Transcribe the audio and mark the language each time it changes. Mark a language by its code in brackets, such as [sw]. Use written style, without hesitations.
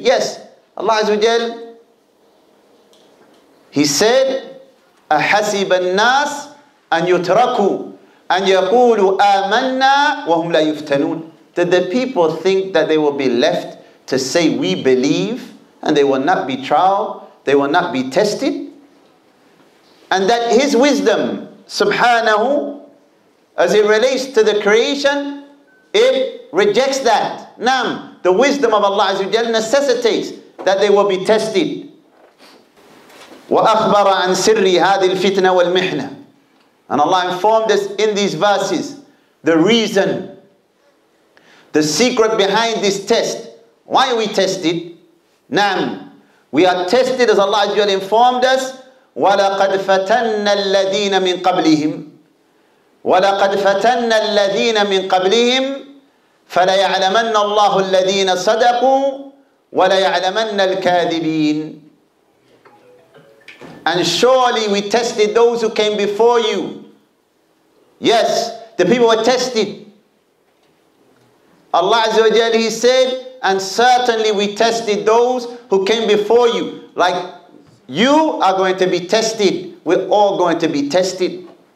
[en] Yes, Allah Azza wa Jal, he said, [ar] أَحَسِبَ النَّاسِ أَنْ يُتْرَكُوا أَنْ يَقُولُوا آمَنَّا وَهُمْ لَا يُفْتَنُونَ. [en] Did the people think that they will be left to say, we believe, and they will not be tried, they will not be tested? And that his wisdom, subhanahu, as it relates to the creation, it rejects that. Naam, the wisdom of Allah Azza wa Jalla necessitates that they will be tested. [ar] وَأَخْبَرَ عَنْ سِرِّ هَذِي الْفِتْنَةِ وَالْمِحْنَةِ. [en] And Allah informed us in these verses, the reason, the secret behind this test. Why are we tested? Naam. We are tested, as Allah Azza wa Jalla informed us, [ar] وَلَقَدْ فَتَنَّ الَّذِينَ مِنْ قَبْلِهِمْ وَلَقَدْ فَتَنَّ الَّذِينَ مِنْ قَبْلِهِمْ فَلَيَعْلَمَنَّ اللَّهُ الَّذِينَ صَدَقُوا وَلَيَعْلَمَنَّ الْكَاذِبِينَ. [en] And surely we tested those who came before you. Yes, the people were tested. Allah Azza wa Jalla, he said, and certainly we tested those who came before you. Like, you are going to be tested. We're all going to be tested.